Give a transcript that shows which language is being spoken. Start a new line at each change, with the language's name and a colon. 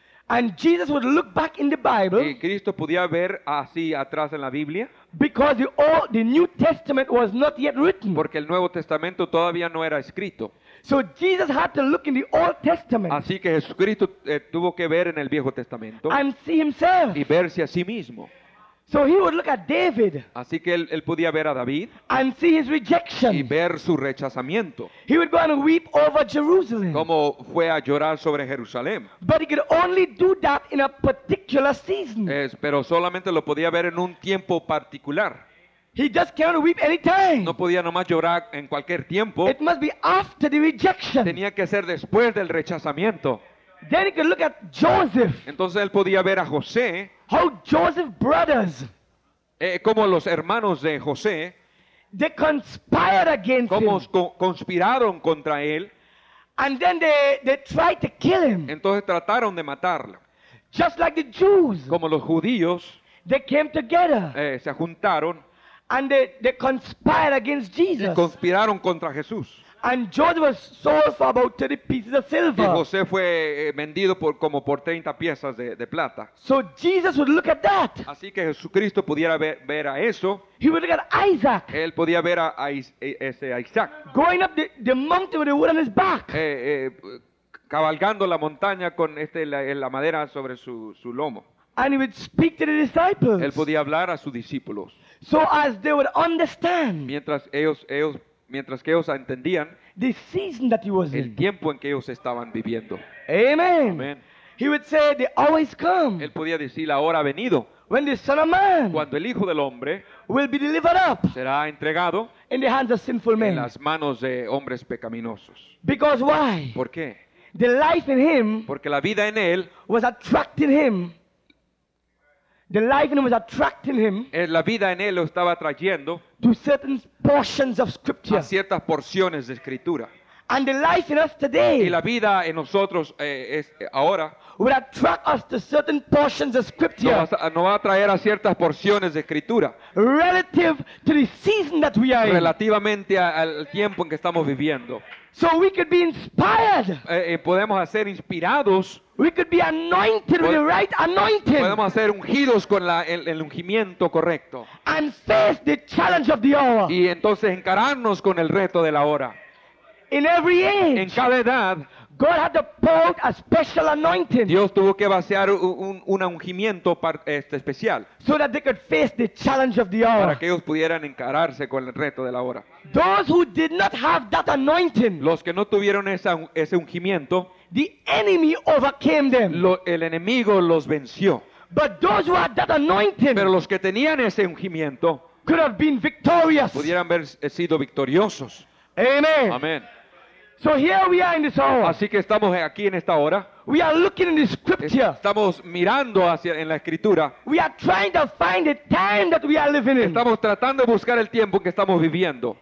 English: And Jesus would look back in the Bible.
Spanish: Y Cristo podía ver así atrás en la Biblia.
English: Because the New Testament was not yet written.
Spanish: Porque el Nuevo Testamento todavía no era escrito.
English: So Jesus had to look in the Old Testament.
Spanish: Así que Jesucristo tuvo que ver en el Viejo Testamento.
English: And see himself.
Spanish: Y verse a sí mismo.
English: So he would look at David.
Spanish: Así que él podía ver a David.
English: And see his rejection.
Spanish: Y ver su rechazamiento.
English: He would go and weep over Jerusalem.
Spanish: Como fue a llorar sobre Jerusalén.
English: But he could only do that in a particular season.
Spanish: Pero solamente lo podía ver en un tiempo particular.
English: He just can't weep anytime.
Spanish: No podía nomás llorar en cualquier tiempo.
English: It must be after the rejection.
Spanish: Tenía que ser después del rechazamiento.
English: Then he could look at Joseph.
Spanish: Entonces él podía ver a José.
English: How Joseph's brothers,
Spanish: como los hermanos de José,
English: they conspired against him.
Spanish: Como conspiraron contra él.
English: And then they tried to kill him.
Spanish: Entonces trataron de matarlo.
English: Just like the Jews,
Spanish: como los judíos,
English: they came together.
Spanish: Se juntaron.
English: And they conspired against Jesus.
Spanish: Y conspiraron contra Jesús.
English: And Joseph was sold for about 30 pieces of silver.
Spanish: Y José fue vendido como por 30 piezas de plata.
English: So Jesus would look at that.
Spanish: Así que Jesucristo pudiera ver a eso.
English: He would look at Isaac.
Spanish: Él podía ver a Isaac.
English: Going up the mountain with the wood on his back.
Spanish: Cabalgando la montaña con la madera sobre su lomo.
English: And he would speak to the disciples.
Spanish: Él podía hablar a sus discípulos.
English: So as they would understand.
Spanish: Mientras que ellos entendían
English: the season that he was
Spanish: el
English: in.
Spanish: Tiempo en que ellos estaban viviendo.
English: Amen.
Spanish: Amen.
English: He would say, they always come.
Spanish: Él podía decir, la hora ha venido.
English: When the Son of Man
Spanish: cuando el Hijo del Hombre
English: will be delivered up
Spanish: será entregado
English: in the hands of sinful men.
Spanish: En las manos de hombres pecaminosos.
English: Because why?
Spanish: ¿Por qué?
English: The life in him
Spanish: porque la vida en él
English: was attracting him. The life in him was attracting him.
Spanish: La vida en él lo estaba trayendo.
English: To certain portions of scripture.
Spanish: A ciertas porciones de escritura.
English: And the life in us today.
Spanish: Y la vida en nosotros es ahora.
English: Would attract us to certain portions of scripture.
Spanish: Nos va a traer a ciertas porciones de escritura.
English: Relative to the season that we are in.
Spanish: Relativamente al tiempo en que estamos viviendo.
English: So we could be inspired.
Spanish: Podemos ser inspirados.
English: We could be anointed with the right anointing.
Spanish: Podemos ser ungidos con el ungimiento correcto.
English: And face the challenge of the hour.
Spanish: Y entonces encararnos con el reto de la hora.
English: In every age.
Spanish: En cada edad.
English: God had to pour a special anointing.
Spanish: Dios tuvo que vaciar un ungimiento especial.
English: So that they could face the challenge of the hour.
Spanish: Para que ellos pudieran encararse con el reto de la hora.
English: Those who did not have that anointing.
Spanish: Los que no tuvieron ese ungimiento.
English: The enemy overcame them.
Spanish: El enemigo los venció.
English: But those who had that anointing.
Spanish: Pero los que tenían ese ungimiento.
English: Could have been victorious.
Spanish: Pudieran haber sido victoriosos.
English: Amen.
Spanish: Amen.
English: So here we are in this hour.
Spanish: Así que estamos aquí en esta hora.
English: We are looking in the scripture.
Spanish: Estamos mirando hacia en la escritura.
English: We are trying to find the time that we are living in.
Spanish: Estamos tratando de buscar el tiempo que estamos viviendo.